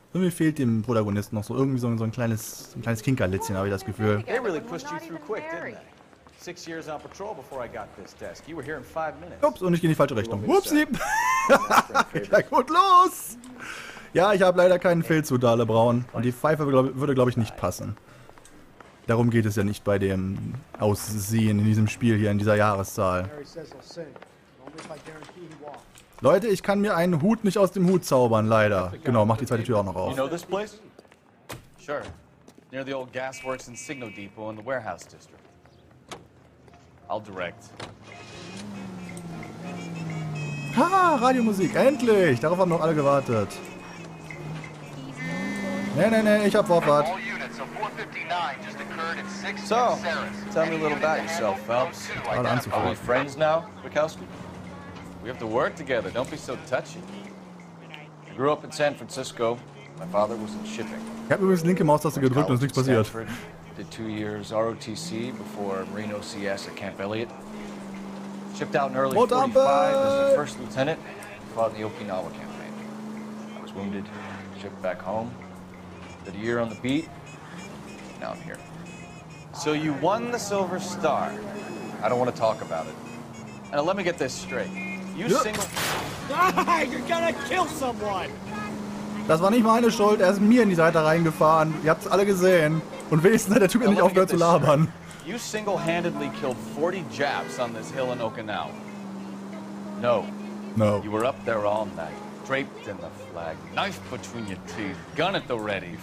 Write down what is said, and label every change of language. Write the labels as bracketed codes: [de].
[de] Irgendwie fehlt dem Protagonisten noch so irgendwie so ein kleines Kinkerlitzchen, habe ich das Gefühl. [en] They really pushed you through quick, didn't they? 6 years on patrol before I got this desk. You were here in 5 minutes. [de] Ups, und ich gehe in die falsche Richtung. Upsi. Ja, gut, los. Ja, ich habe leider keinen Filzhut da, LeBraun. Und die Pfeife würde, glaube ich, nicht passen. Darum geht es ja nicht bei dem Aussehen in diesem Spiel hier, in dieser Jahreszahl. Leute, ich kann mir einen Hut nicht aus dem Hut zaubern, leider. Genau, mach die zweite Tür auch noch auf. [en] You know this place? Sure. Near the old gasworks and signal depot in the warehouse district. I'll direct. [de] Ha, Radiomusik, endlich! Darauf haben noch alle gewartet. Nee, ich hab Wortwart. [en] All units, reports of 459 just occurred at 6 in Saris. Tell me a little about yourself, Phelps. Are we friends now, Bukowski? We have to work together. Don't be so touchy. I grew up in San Francisco. My father was in shipping. [de] Ich habe übrigens linke Maustaste gedrückt und es ist nichts passiert. [en] Stanford, did 2 years ROTC before Marine OCS at Camp Elliott. Shipped out in early 45 as a first lieutenant. Fought in the Okinawa campaign. I was wounded, shipped back home. Did a year on the beat. Now I'm here. So you won the Silver Star. I don't want to talk about it. And let me get this straight. You single... You're gonna kill someone! [de] Das war nicht meine Schuld, er ist mir in die Seite reingefahren. Ihr habt es alle gesehen. Und wenigstens hat der Typ ja nicht aufgehört zu labern. [en] You single-handedly killed 40 Japs on this hill in Okinawa. No. No. You were up there all night, draped in the flag, knife between your teeth, gun at the ready.